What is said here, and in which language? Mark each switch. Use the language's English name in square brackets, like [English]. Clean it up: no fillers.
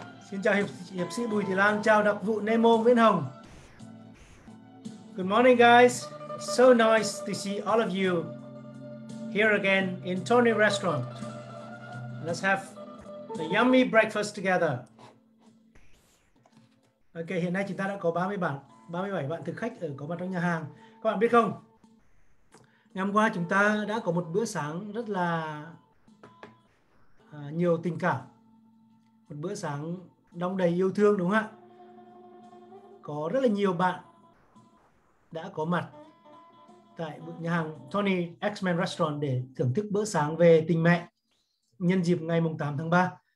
[Vietnamese] Xin chào hiệp sĩ Bùi Thị Lan, chào đặc vụ Nemo Nguyễn Hồng. [English] Good morning guys, so nice to see all of you here again in Tony Restaurant. Let's have a yummy breakfast together. [Vietnamese] Ok, hiện nay chúng ta đã có 37 bạn thực khách ở có mặt trong nhà hàng. Các bạn biết không, ngày hôm qua chúng ta đã có một bữa sáng rất là nhiều tình cảm. Một bữa sáng đong đầy yêu thương đúng không ạ? Có rất là nhiều bạn đã có mặt tại nhà hàng Tony X-Men Restaurant để thưởng thức bữa sáng về tình mẹ nhân dịp ngày 8 tháng 3.